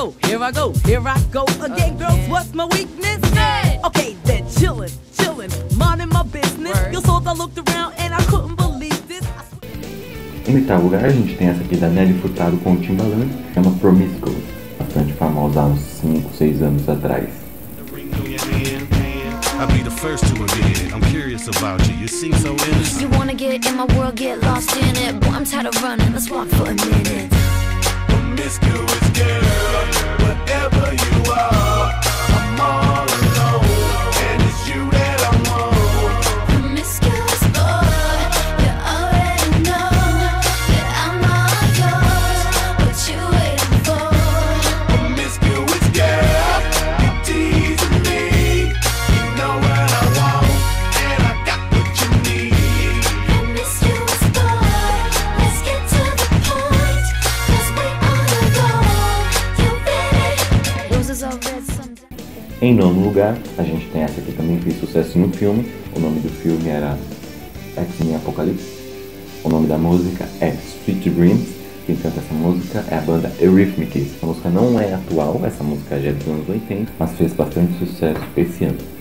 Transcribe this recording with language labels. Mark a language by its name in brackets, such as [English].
[English] Here I go again, oh, girls, yeah. What's my weakness? Yeah. Okay, then chillin', mindin' my business. Your souls, I looked around and I couldn't believe this. [Portuguese] Em oitavo lugar, a gente tem essa aqui da Nelly Furtado com o Timbaland, que é uma Promiscuous, bastante famosa há uns 5, 6 anos atrás. [English] I'll be the first to admit it. I'm curious about you. You seem so innocent. You wanna get in my world, get lost in it. Boy, I'm tired of running, let's walk for a minute. Promiscuous girl, whatever you are, I'm all alone, and it's you that I want. Promiscuous boy, you already know that I'm all yours, what you waiting for? Promiscuous girl, you teasing me, you know what I want, and I got what you need. Promiscuous boy, let's get to the point, cause we all alone, you ready? Roses are red. [Portuguese] Em nono lugar, a gente tem essa que também fez sucesso no filme. O nome do filme era X-Men Apocalipse. O nome da música é Sweet Dreams. Quem canta essa música é a banda Eurythmics. A música não é atual, essa música já é dos anos 80, mas fez bastante sucesso esse ano.